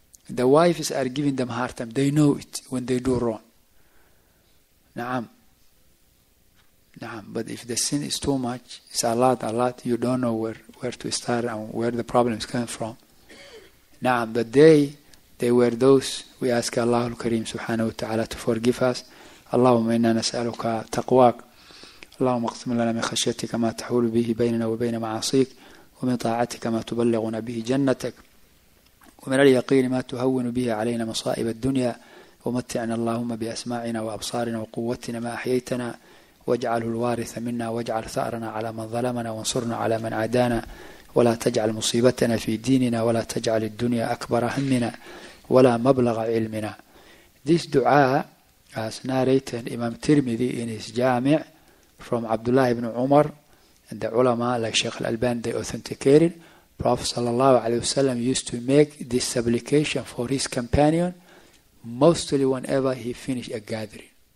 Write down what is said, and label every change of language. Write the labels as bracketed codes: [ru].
[en] The wives are giving them hard time. They know it when they do wrong. [ar] Naam. Naam. [en] But if the sin is too much, it's a lot, you don't know where to start and where the problem is coming from. [ar] Naam. [en] But they were those, we ask Allah al-Karim [ar] subhanahu wa ta'ala [en] to forgive us. [ar] اللهم إنا نسألك تقواك. اللهم اقسم لنا من خشيتك ما تحول به بيننا وبين معاصيك, ومن طاعتك ما تبلغنا به جنتك, ومن اليقين ما تهون به علينا مصائب الدنيا. ومتعنا اللهم بأسماعنا وأبصارنا وقوتنا ما أحييتنا, واجعله الوارث منا, واجعل ثأرنا على من ظلمنا, وانصرنا على من عادانا, ولا تجعل مصيبتنا في ديننا, ولا تجعل الدنيا أكبر همنا ولا مبلغ علمنا. [en] This دعاء as narrated Imam Tirmidhi in his Jami' from Abdullah ibn Umar, and the ulama like Sheikh al-Albani, they authenticated. Prophet [ar] sallallahu alayhi wa sallam [en] used to make this supplication for his companion mostly whenever he finished a gathering.